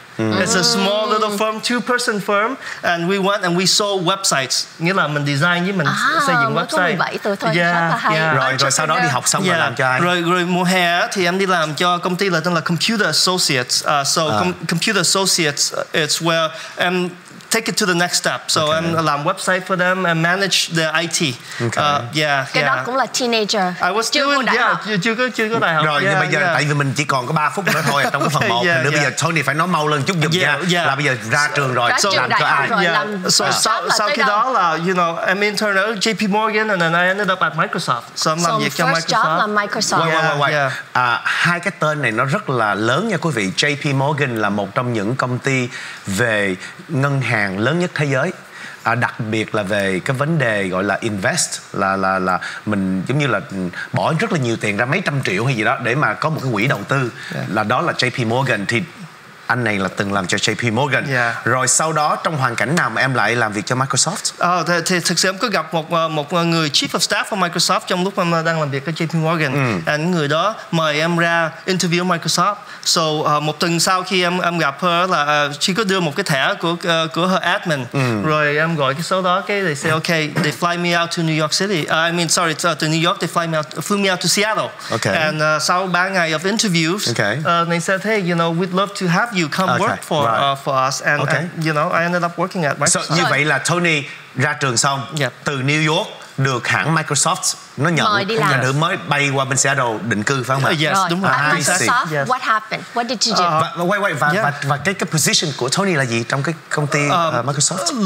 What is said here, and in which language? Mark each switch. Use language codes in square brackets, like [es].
[en] It's a small little firm, two person firm, and we went and we sold websites. [vi] Nghĩa là mình design với mình xây dựng website. 17 tuổi thôi, rất là hay. Rồi sau đó đi học xong rồi làm cho ai? Rồi mùa hè thì em đi làm cho công ty là tên là Computer Associates. [en] Computer Associates, it's where em take it to the next step. So I'm [vi] làm [en] website for them and manage the IT. Okay. [vi] Cái đó cũng là teenager. [en] I was still in [vi] chưa có đại học. Rồi nhưng bây giờ tại vì mình chỉ còn có 3 phút nữa thôi trong cái phần 1. Nếu bây giờ Tony phải nói mau lên chút giùm nha. Là bây giờ ra trường rồi, làm cho ai? Sau khi đó là [en] I'm intern at JP Morgan and then I ended up at Microsoft. So I'm [vi] làm việc cho Microsoft. [en] First job là Microsoft. [vi] Hai cái tên này nó rất là lớn nha quý vị. JP Morgan là một trong những công ty về ngân hàng lớn nhất thế giới, đặc biệt là về cái vấn đề gọi là invest, là mình giống như là bỏ rất là nhiều tiền ra, mấy trăm triệu hay gì đó để mà có một cái quỹ đầu tư, là đó là JP Morgan. Thì anh này là từng làm cho JP Morgan. Rồi sau đó trong hoàn cảnh nào mà em lại làm việc cho Microsoft? Thì thực sự em có gặp một người chief of staff của Microsoft trong lúc em đang làm việc ở JP Morgan. Anh người đó mời em ra interview Microsoft. So một tuần sau khi em gặp her là [en] she [vi] có đưa một cái thẻ của her admin. Rồi em gọi cái số đó, cái [en] they say okay, they fly me out to New York City. To New York, they flew me out to Seattle. Okay. And [vi] sau 3 ngày [en] of interviews, they said, hey, we'd love to have you come work for us, and I ended up working at Microsoft. [vi] So, như vậy là Tony ra trường xong từ New York được hãng Microsoft nó nhận, nhà nữ mới bay qua bên Seattle định cư, phải không ạ? [en] Yes, [vi] đúng rồi. [en] Microsoft, what happened? What did you do? [vi] Và cái position của Tony là gì trong cái công ty Microsoft?